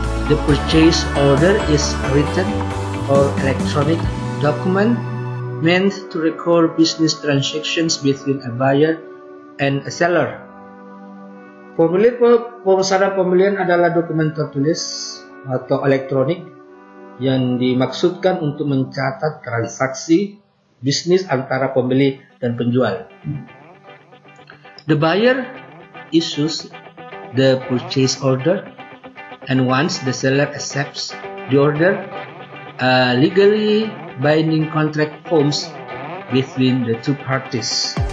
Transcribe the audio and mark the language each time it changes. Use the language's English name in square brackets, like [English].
[English] The purchase order is written or electronic document meant to record business transactions between a buyer and a seller. [Indonesian] Formulir pemesanan pembelian adalah dokumen tertulis atau elektronik yang dimaksudkan untuk mencatat transaksi bisnis antara pembeli dan penjual. [English] The buyer issues the purchase order, and once the seller accepts the order, a legally binding contract forms between the two parties.